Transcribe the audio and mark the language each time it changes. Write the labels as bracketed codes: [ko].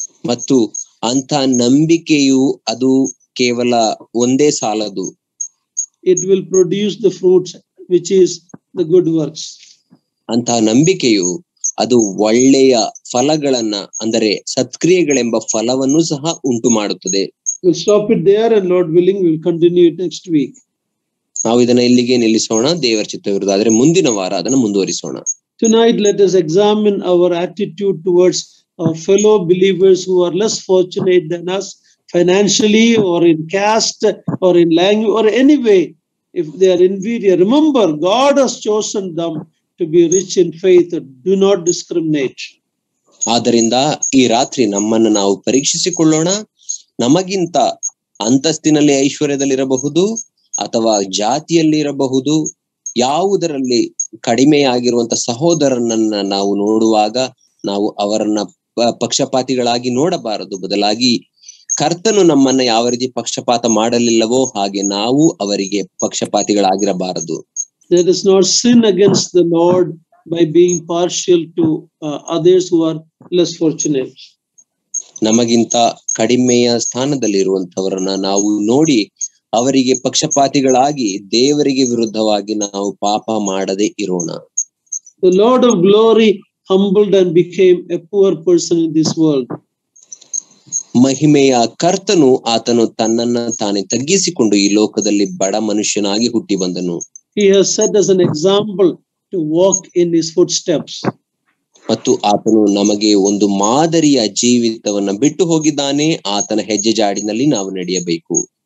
[kn] ಮತ್ತು ಅಂತ ನಂಬಿಕೆಯು ಅದು ಕೇವಲ ಒಂದೇ ಸಾಲದು. [en] It will produce the fruits which is the good works. [kn] ಅಂತ ನಂಬಿಕೆಯು ಅದು ಒಳ್ಳೆಯ ಫಲಗಳನ್ನ ಅಂದರೆ ಸತ್ಕ್ರಿಯೆಗಳೆಂಬ ಫಲವನ್ನು ಸಹ ಉಂಟು ಮಾಡುತ್ತದೆ. [en] We'll stop it there and Lord willing, we'll continue it next week. [kn] ನಾವು ಇದನ್ನ ಇಲ್ಲಿಗೆ ನಿಲ್ಲಿಸೋಣ, ದೇವರ ಚಿತ್ತವಿರುವುದು, ಆದರೆ ಮುಂದಿನ ವಾರ ಅದನ್ನು ಮುಂದುವರಿಸೋಣ. [en] Tonight let us examine our attitude towards our fellow believers who are less fortunate than us financially or in caste or in language or any way. If they are inferior, remember God has chosen them to be rich in faith. Do not discriminate. [kn] ಆದ್ದರಿಂದ ಈ ರಾತ್ರಿ ನಮ್ಮನ್ನು ನಾವು ಪರೀಕ್ಷಿಸಿಕೊಳ್ಳೋಣ. ನಮಗಿಂತ ಅಂತಸ್ತಿನಲ್ಲಿ ಐಶ್ವರ್ಯದಲ್ಲಿರಬಹುದು ಅಥವಾ ಜಾತಿಯಲ್ಲಿ ಇರಬಹುದು, ಯಾವುದರಲ್ಲಿ ಕಡಿಮೆಯಾಗಿರುವಂತಹ ಸಹೋದರನನ್ನ ನಾವು ನೋಡುವಾಗ ನಾವು ಅವರನ್ನ ಪಕ್ಷಪಾತಿಗಳಾಗಿ ನೋಡಬಾರದು. ಬದಲಾಗಿ ಕರ್ತನು ನಮ್ಮನ್ನ ಯಾವ ರೀತಿ ಪಕ್ಷಪಾತ ಮಾಡಲಿಲ್ಲವೋ ಹಾಗೆ ನಾವು ಅವರಿಗೆ ಪಕ್ಷಪಾತಿಗಳಾಗಿರಬಾರದು. [en] There is no sin against the Lord by being partial to others who are less fortunate. [kn] ನಮಗಿಂತ ಕಡಿಮೆಯ ಸ್ಥಾನದಲ್ಲಿ ಇರುವಂತವರನ್ನ ನಾವು ನೋಡಿ ಅವರಿಗೆ ಪಕ್ಷಪಾತಿಗಳಾಗಿ ದೇವರಿಗೆ ವಿರುದ್ಧವಾಗಿ ನಾವು ಪಾಪ ಮಾಡದೆ ಇರೋಣ. [en] The Lord of glory humbled and became a poor person in this world. [kn] ಮಹಿಮೆಯ ಕರ್ತನು ಆತನು ತನ್ನನ್ನ ತಾನೇ ತಗ್ಗಿಸಿಕೊಂಡು ಈ ಲೋಕದಲ್ಲಿ ಬಡ ಮನುಷ್ಯನಾಗಿ ಹುಟ್ಟಿ ಬಂದನು. [en] He has set as an example to walk in his footsteps. [kn] ಮತ್ತು ಆತನು ನಮಗೆ ಒಂದು ಮಾದರಿಯ ಜೀವಿತವನ್ನ ಬಿಟ್ಟು ಹೋಗಿದ್ದಾನೆ, ಆತನ ಹೆಜ್ಜೆ ಜಾಡಿನಲ್ಲಿ ನಾವು ನಡೆಯಬೇಕು.